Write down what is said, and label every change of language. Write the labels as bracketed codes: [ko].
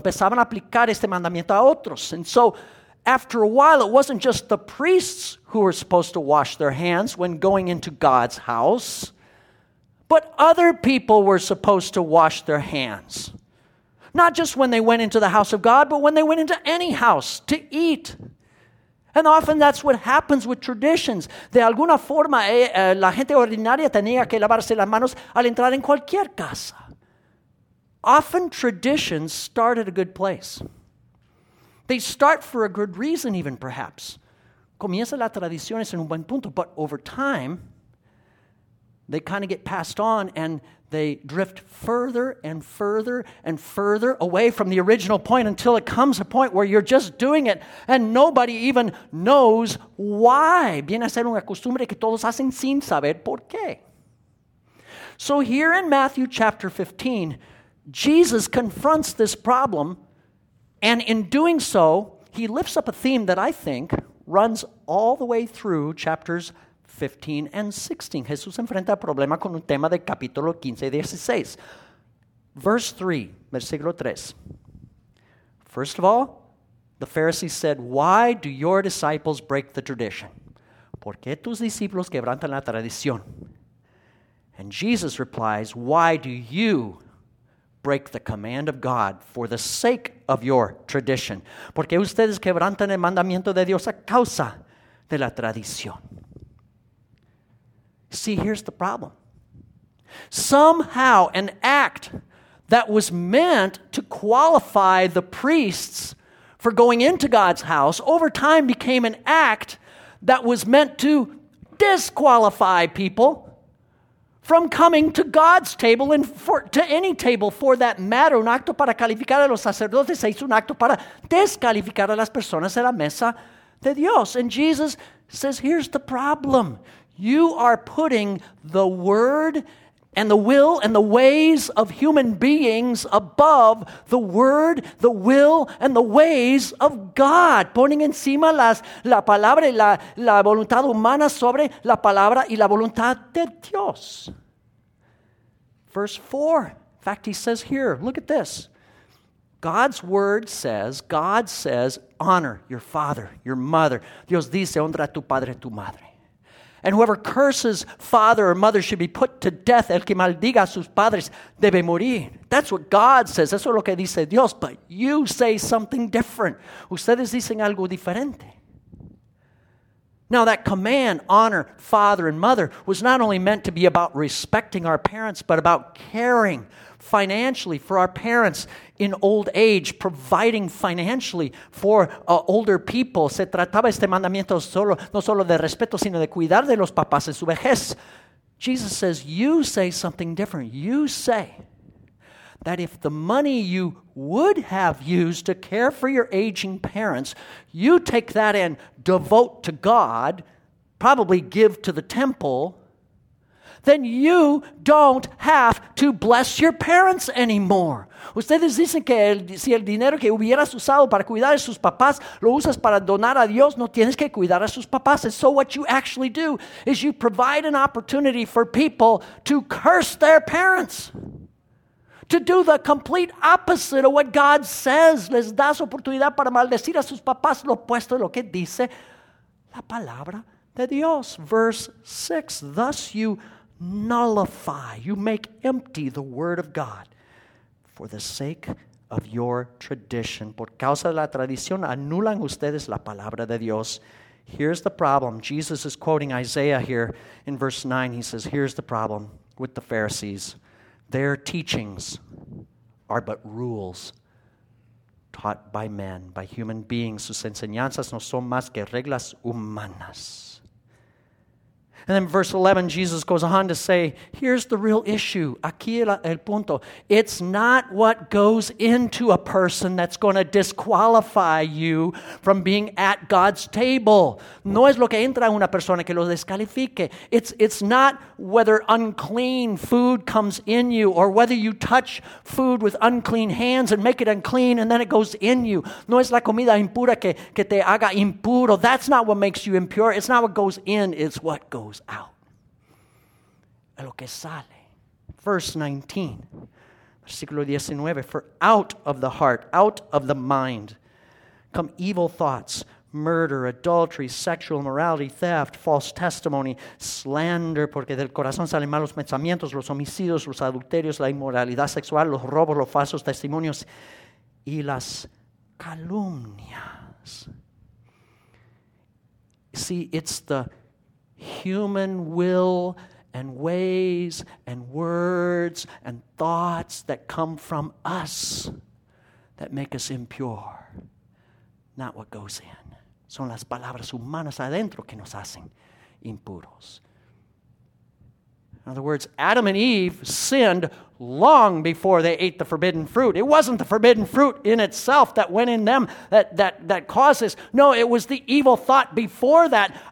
[es] Empezaban a aplicar este mandamiento a otros. [en] And so, after a while, it wasn't just the priests who were supposed to wash their hands when going into God's house, but other people were supposed to wash their hands. Not just when they went into the house of God, but when they went into any house to eat. And often that's what happens with traditions. [es] De alguna forma, la gente ordinaria tenía que lavarse las manos al entrar en cualquier casa. [en] Often traditions start at a good place. They start for a good reason, even perhaps. [es] Comienza las tradiciones en un buen punto, [en] but over time, they kind of get passed on and they drift further and further and further away from the original point until it comes a point where you're just doing it and nobody even knows why. [es] Viene a ser una costumbre que todos hacen sin saber por qué. [en] So here in Matthew chapter 15, Jesus confronts this problem. And in doing so, he lifts up a theme that I think runs all the way through chapters 15 and 16. [es] Jesús enfrenta el problema con un tema de capítulo 15 y 16. [en] Verse 3, versículo 3. First of all, the Pharisees said, "Why do your disciples break the tradition?" [es] ¿Por qué tus discípulos quebrantan la tradición? [en] And Jesus replies, "Why do you break the command of God for the sake of your tradition?" [es] Porque ustedes quebrantan el mandamiento de Dios a causa de la tradición. [en] See, here's the problem. Somehow, an act that was meant to qualify the priests for going into God's house over time became an act that was meant to disqualify people from coming to God's table and for, to any table for that matter. [es] Un acto para calificar a los sacerdotes se hizo un acto para descalificar a las personas de la mesa de Dios. [en] And Jesus says, here's the problem. You are putting the word and the will and the ways of human beings above the word, the will, and the ways of God. [es] Poniendo encima la palabra y la voluntad humana sobre la palabra y la voluntad de Dios. [en] Verse 4. In fact, he says here, look at this. God's word says, honor your father, your mother. [es] Dios dice, honra a tu padre, tu madre. [en] And whoever curses father or mother should be put to death. [es] El que maldiga a sus padres debe morir. [en] That's what God says. [es] Eso es lo que dice Dios. [en] But you say something different. [es] Ustedes dicen algo diferente. [en] Now that command, honor father and mother, was not only meant to be about respecting our parents, but about caring financially for our parents in old age, providing financially for older people. [es] Se trataba este mandamiento solo, no solo de respeto, sino de cuidar de los papás en su vejez. [en] Jesus says, you say something different. You say that if the money you would have used to care for your aging parents, you take that and devote to God, probably give to the temple, then you don't have to bless your parents anymore. [es] Ustedes dicen que si el dinero que hubieras usado para cuidar a sus papás lo usas para donar a Dios, no tienes que cuidar a sus papás. [en] And so what you actually do is you provide an opportunity for people to curse their parents. To do the complete opposite of what God says. [es] Les das oportunidad para maldecir a sus papás, lo opuesto de lo que dice la palabra de Dios. [en] Verse 6, thus you nullify, you make empty the word of God for the sake of your tradition. [es] Por causa de la tradición, anulan ustedes la palabra de Dios. [en] Here's the problem. Jesus is quoting Isaiah here in verse 9. He says, here's the problem with the Pharisees. Their teachings are but rules taught by men, by human beings. [es] Sus enseñanzas no son más que reglas humanas. [en] And then verse 11, Jesus goes on to say, here's the real issue. [es] Aquí el punto. [en] It's not what goes into a person that's going to disqualify you from being at God's table. [es] No es lo que entra a una persona que lo descalifique. [en] It's not whether unclean food comes in you or whether you touch food with unclean hands and make it unclean and then it goes in you. [es] No es la comida impura que te haga impuro. [en] That's not what makes you impure. It's not what goes in. It's what goes out. [es] Lo que sale. [en] Verse 19, versículo 19, for out of the heart, out of the mind, come evil thoughts, murder, adultery, sexual immorality, theft, false testimony, slander, [es] porque del corazón salen malos pensamientos, los homicidios, los adulterios, la inmoralidad sexual, los robos, los falsos testimonios, y las calumnias. [en] See, it's the human will and ways and words and thoughts that come from us that make us impure, not what goes in. [es] Son las palabras humanas adentro que nos hacen impuros. [en] In other words, Adam and Eve sinned long before they ate the forbidden fruit. It wasn't the forbidden fruit in itself that went in them that causes. No, it was the evil thought before that.